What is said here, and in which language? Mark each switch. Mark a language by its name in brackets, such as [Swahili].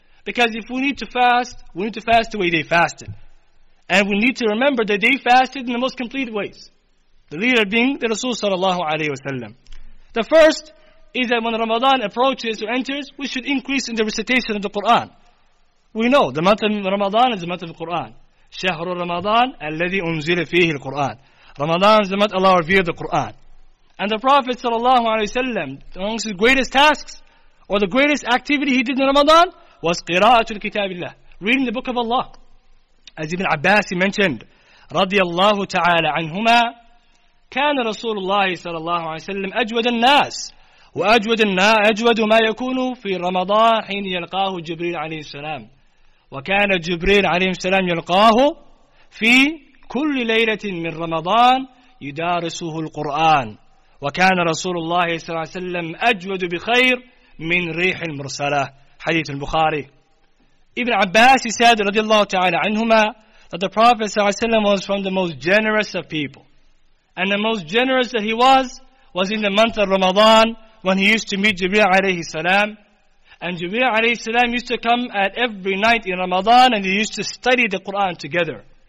[English] Because if we need to fast, we need to fast the way they fasted. And we need to remember that they fasted in the most complete ways. The leader being the Rasul sallallahu alayhi wa sallam. The first is that when Ramadan approaches or enters, we should increase in the recitation of the Quran. We know the month of Ramadan is the month of the Quran. [Arabic] شهر رمضان الذي أنزل فيه القرآن. [English] Ramadan is the month Allah revealed the Quran. And the Prophet sallallahu alayhi wa sallam, amongst his greatest tasks or the greatest activity he did in Ramadan was [Arabic] قراءة الكتاب الله, [English] reading the book of Allah. As Ibn Abbas mentioned, [Arabic] رضي الله تعالى عنهما, كان رسول الله صلى الله عليه وسلم أجود الناس وأجود الناس أجود ما يكون في رمضان حين يلقاه جبريل عليه السلام وكان جبريل عليه السلام يلقاه في كل ليلة من رمضان يدارسه القرآن وكان رسول الله صلى الله عليه وسلم أجود بخير من ريح المرسلة. حديث البخاري. [English] Ibn Abbas said [Arabic] رضي الله تعالى عنهما [English] that the Prophet [Arabic] صلى الله عليه وسلم [English] was from the most generous of people. And the most generous that he was in the month of Ramadan when he used to meet Jibreel alayhi salam. And Jibreel alayhi salam used to come at every night in Ramadan and they used to study the Quran together.